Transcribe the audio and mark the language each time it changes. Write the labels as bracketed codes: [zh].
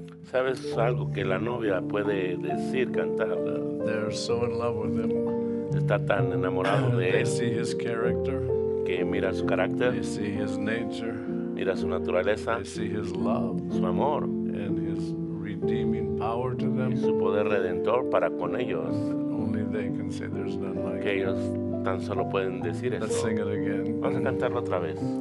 [es] ¿Sabes algo que la novia puede decir, cantar? [en] They're so in love with him. [es] Está tan enamorado de [en] they [es] él. [en] They see his character. [es] Que mira su carácter. [en] They see his nature. [es] Mira su naturaleza. [en] They see his love. [es] Su amor. [en] And his redeeming power to them. [es] Y su poder redentor para con ellos. [en] Only they can say there's none like him. [es] Que ellos tan solo pueden decir eso. [en] Let's sing it again. [es] Vamos a cantarlo otra vez.